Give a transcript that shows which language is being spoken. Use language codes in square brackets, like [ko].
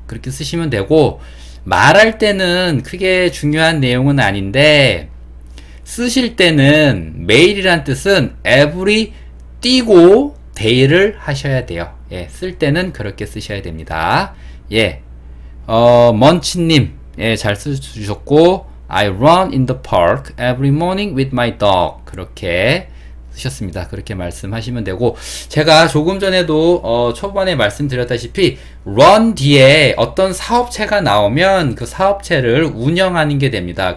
[ko] 그렇게 쓰시면 되고, 말할 때는 크게 중요한 내용은 아닌데, 쓰실 때는 매일이란 뜻은 every 띄고 day를 하셔야 돼요. 예. 쓸 때는 그렇게 쓰셔야 됩니다. 예. 먼치님. 예. 잘 써주셨고, [en] I run in the park every morning with my dog. [ko] 그렇게 쓰셨습니다. 그렇게 말씀하시면 되고 제가 조금 전에도 초반에 말씀드렸다시피 run 뒤에 어떤 사업체가 나오면 그 사업체를 운영하는 게 됩니다.